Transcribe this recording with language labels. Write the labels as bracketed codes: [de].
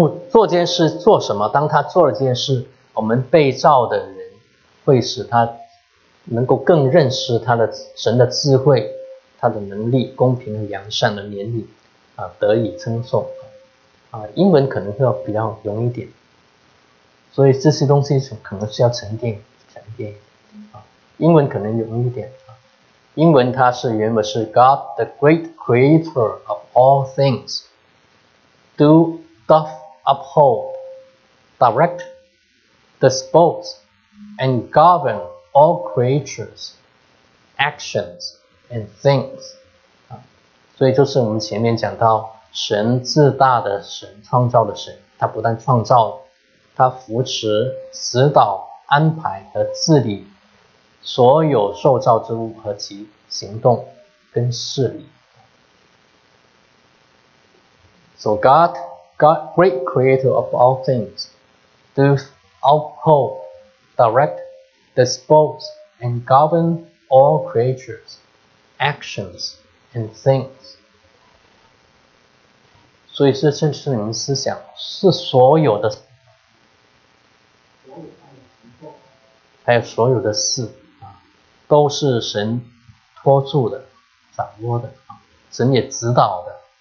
[zh] 做这件事做什么？当他做了这件事，我们被造的人会使他能够更认识他的神的智慧、他的能力、公平和良善的怜悯啊，得以称颂啊。英文可能会要比较容易一点，所以这些东西可能是要沉淀啊。英文可能容易一点啊。 [en] 英文它是原文是 God the great creator of all things doGoth uphold, direct, dispose, and govern all creatures, actions, and things. [zh] 所以就是我们前面讲到神自大的神，创造的神，他不但创造，他扶持、指导、安排和治理所有受造之物和其行动跟事理。 [en] So God, great creator of all things, do uphold, direct, dispose, and govern all creatures, actions, and things. [zh] 所以是圣灵思想，是所有的，还有所有的事，都是神托住的，掌握的，神也指导的。